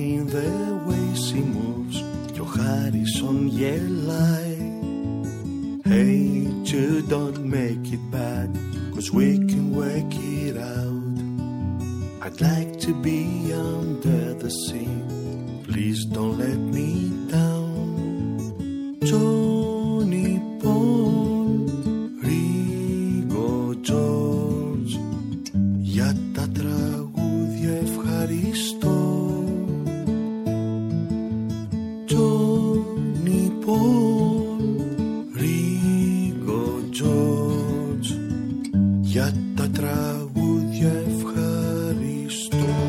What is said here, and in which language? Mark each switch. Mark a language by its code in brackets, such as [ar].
[en] the way she moves [el] και ο Χάρισον γελάει. [en] Hey Jude, don't make it bad, 'cause we can work it out. I'd like to be under the sea, please don't let me down. [el] Johnny Paul, Ringo George, για τα τραγούδια ευχαριστώ. Johnny Paul, Ringo George, για τα τραγούδια ευχαριστώ.